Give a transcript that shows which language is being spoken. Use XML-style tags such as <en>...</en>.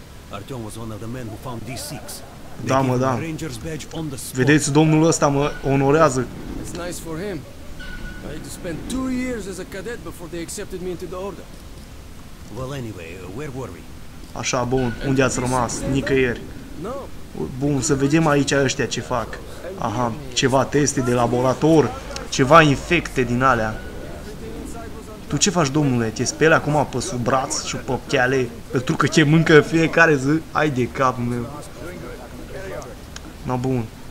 <en>Artyom was one of the men who found D6.</en> <ro>Da, mă, da. Vedeți, domnul ăsta mă onorează.</ro> <en>It's nice for him. I had to spend 2 years as a cadet before they accepted me into the order. Well, anyway, where were we?</en> <ro>Așa, bun. Unde ați rămas? Nicăieri. Bun, să vedem aici ăștia ce fac. Aha, ceva teste de laborator, ceva infecte din alea. Tu ce faci, domnule? Te speli acum pe sub braț și pe cheale? Pentru că te mâncă fiecare zi? Ai de cap meu. Na, bun.</ro>